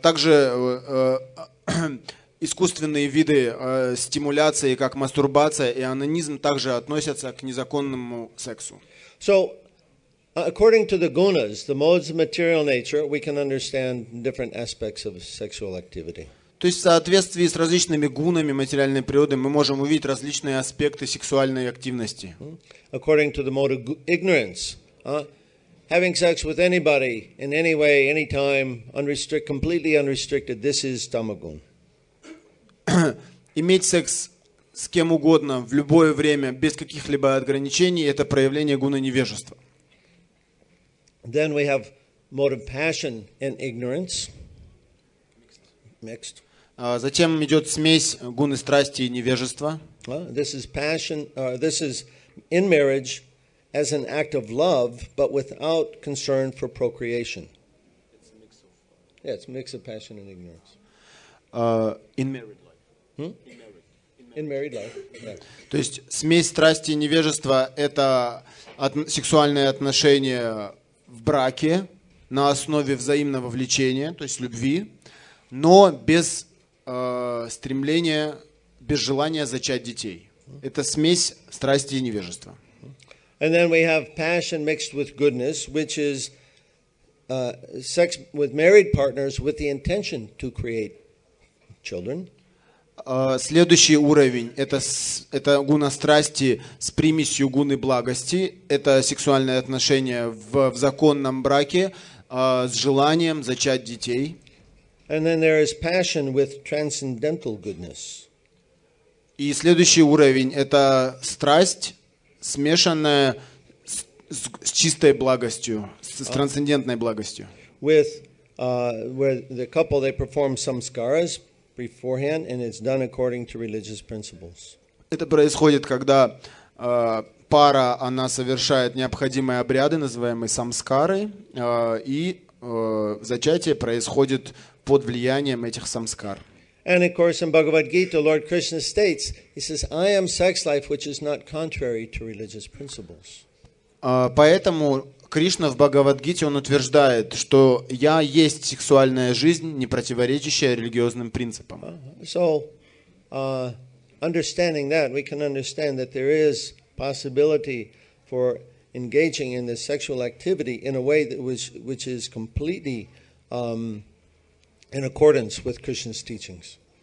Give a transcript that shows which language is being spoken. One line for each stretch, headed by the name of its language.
Russian: Также искусственные виды стимуляции, как мастурбация и онанизм, также относятся к незаконному сексу.
English: So, according to the gunas, the modes of material nature, we can understand different aspects of sexual activity.
Russian: То есть в соответствии с различными гунами материальной природы мы можем увидеть различные аспекты сексуальной активности.
English: According to the mode of ignorance, having sex with anybody in any way, any time, completely unrestricted, this is tamagun.
Russian: Иметь секс с кем угодно в любое время без каких-либо ограничений – это проявление гуны невежества.
English: Then we have mode of passion and ignorance. Mixed.
Russian: Затем идет смесь гуны страсти и невежества.
English: This is passion. This is in marriage. As an act of love, but without concern for procreation. It's a mix of passion and ignorance. In married life.
Russian: То есть смесь страсти и невежества – это сексуальные отношения в браке на основе взаимного влечения, то есть любви, но без стремления, без желания зачать детей. Это смесь страсти и невежества.
English: And then we have passion mixed with goodness, which is sex with married partners with the intention to create children.
Russian: Следующий уровень это гуна страсти с примесью гуны благости. Это сексуальные отношения в законном браке с желанием зачать детей.
English: And then there is passion with transcendental goodness.
Russian: И следующий уровень это страсть, смешанная с чистой благостью, с трансцендентной благостью.
English: With where the couple they perform samskaras beforehand and it's done according to religious principles.
Russian: Это происходит, когда пара она совершает необходимые обряды, называемые самскары, и зачатие происходит под влиянием этих самскар.
English: And of course, in Bhagavad Gita, Lord Krishna states, he says, "I am sex life, which is not contrary to religious principles."
Russian: Поэтому Кришна в Бхагавад-гите он утверждает, что я есть сексуальная жизнь, не противоречащая религиозным принципам.
English: So, understanding that, we can understand that there is possibility for engaging in this sexual activity in a way that which is completely in accordance with Krishna's teachings.